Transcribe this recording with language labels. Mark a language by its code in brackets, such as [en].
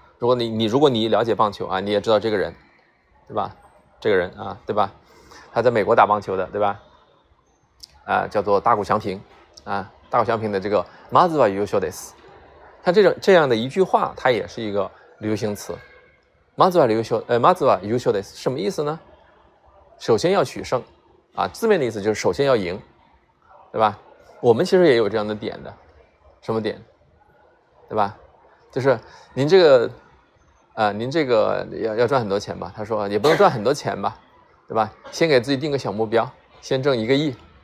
[zh] 如果你了解棒球啊，你也知道这个人，对吧？这个人啊，对吧？他在美国打棒球的，对吧？啊，叫做大谷翔平啊，大谷翔平的这个 [ja] まずは優勝です， [zh] 像这样的一句话，它也是一个流行词。 [ja] まずは優勝，まずは優勝です， [zh] 什么意思呢？首先要取胜。啊，字面的意思就是首先要赢，对吧？我们其实也有这样的点的，什么点？对吧？就是您这个要赚很多钱吧？他说也不能赚很多钱吧，对吧？先给自己定个小目标，先挣一个亿。